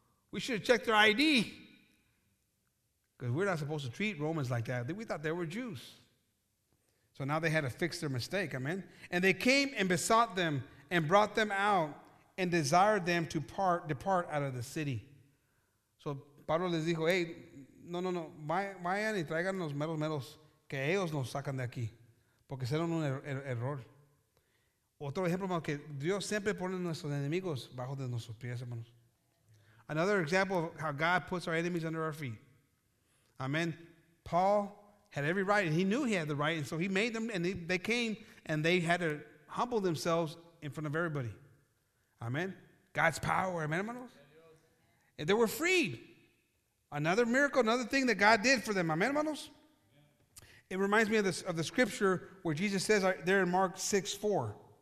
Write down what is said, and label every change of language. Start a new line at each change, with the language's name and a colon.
English: We should have checked their ID. Because we're not supposed to treat Romans like that. We thought they were Jews. So now they had to fix their mistake, amen? And they came and besought them and brought them out and desired them to depart out of the city.
Spanish: So Pablo les dijo, hey, no, vayan y traigan los meros, que ellos nos sacan de aquí, porque hicieron un error. Otro ejemplo, hermano, que Dios siempre pone nuestros enemigos bajo de nuestros pies, hermanos.
English: Another example of how God puts our enemies under our feet. Amen. Paul had every right, and he knew he had the right, and so he made them, and they came, and they had to humble themselves in front of everybody. Amen. God's power, amen, hermanos. And they were freed. Another miracle, another thing that God did for them. Amen, hermanos. It reminds me of the scripture where Jesus says there in Mark 6:4.